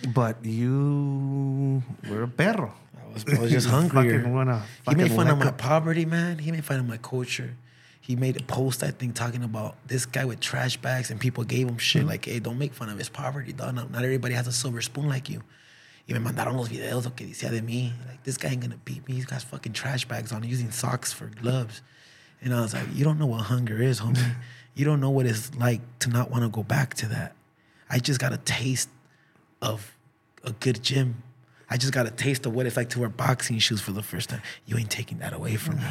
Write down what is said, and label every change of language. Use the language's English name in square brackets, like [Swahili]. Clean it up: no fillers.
[English] But you were a perro. I was just hungrier. He made fun of my poverty, man. He made fun of my culture. He made a post, I think, talking about this guy with trash bags, and people gave him shit like, "Hey, don't make fun of his poverty, dog. Not everybody has a silver spoon like you." [Spanish] Y me mandaron los videos lo que decía de mí. [English] Like, this guy ain't gonna beat me. He's got fucking trash bags on, using socks for gloves. And I was like, you don't know what hunger is, homie. You don't know what it's like to not want to go back to that. I just got a taste of a good gym. I just got a taste of what it's like to wear boxing shoes for the first time. You ain't taking that away from me.